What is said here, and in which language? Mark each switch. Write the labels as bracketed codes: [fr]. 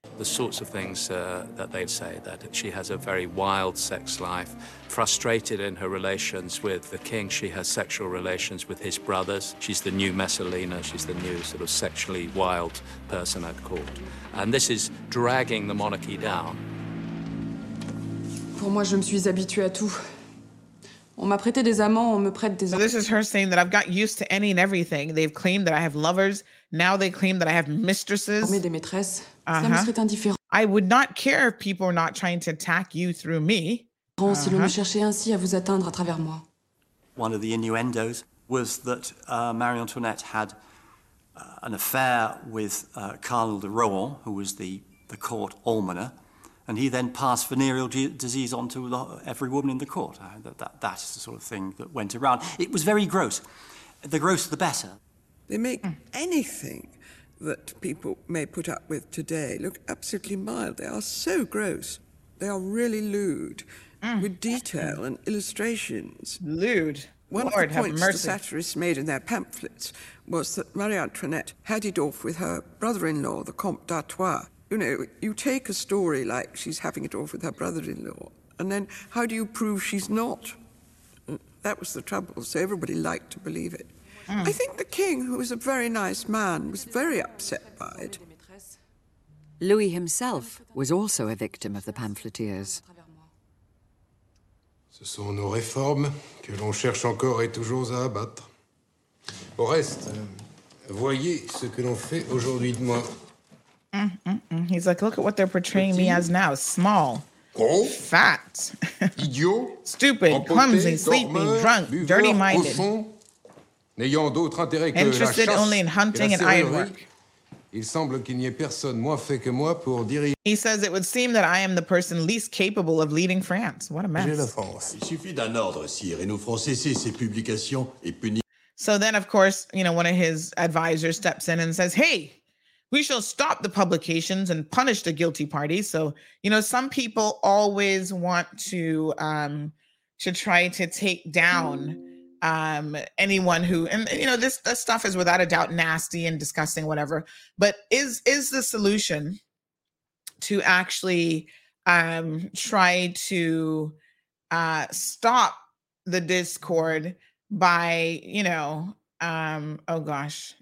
[en] The sorts of things that they'd say, that she has a very wild sex life, frustrated in her relations with the king. She has sexual relations with his brothers. She's the new Messalina. She's the new sort of sexually wild person at court. And this is dragging the monarchy down. [fr] Pour moi, je me suis habituée à tout. On m'a prêté des amants, on me prête des amants. [en] So this is her saying that I've got used to any and everything. They've claimed that I have lovers. Now they claim that I have mistresses. [fr] On met des maîtresses. Ça me serait indifférent. [en] I would not care if people are not trying to attack you through me. [fr] Si l'on cherchait ainsi à vous atteindre à travers moi. [en] One of the innuendos was that Marie Antoinette had an affair with Cardinal de Rohan, who was the court almoner. And he then passed venereal disease on to every woman in the court. That is the sort of thing that went around. It was very gross. The grosser, the better. They make anything that people may put up with today look absolutely mild. They are so gross. They are really lewd with detail and illustrations. Lewd. One Lord, of the points the satirists made in their pamphlets was that Marie Antoinette had it off with her brother-in-law, the Comte d'Artois. You know, you take a story like she's having it off with her brother-in-law, and then how do you prove she's not? That was the trouble, so everybody liked to believe it. Mm. I think the king, who was a very nice man, was very upset by it. Louis himself was also a victim of the pamphleteers. [fr] Ce sont nos réformes que l'on cherche encore et toujours à abattre. Au reste, voyez ce que l'on fait aujourd'hui de moi. [en] He's like, look at what they're portraying me as now. Small. [fr] Gros. [en] Fat. Idiot. Stupid. Empoté, clumsy. Dormeur, sleepy. Drunk. Dirty-minded. Profond, [fr] n'ayant d'autre intérêt que [en] interested [fr] la chasse [en] only in hunting and ironwork. [fr] Il semble qu'il n'y ait personne moins fait que moi pour diriger. [en] He says it would seem that I am the person least capable of leading France. What a mess. [fr] Il suffit d'un ordre, sire, et nous ferons cesser ces publications et punir. [en] So then, of course, you know, one of his advisors steps in and says, hey, we shall stop the publications and punish the guilty party. So, you know, some people always want to try to take down anyone who, and you know, this stuff is without a doubt nasty and disgusting, whatever, but is the solution to actually try to stop the discord by, you know, oh gosh.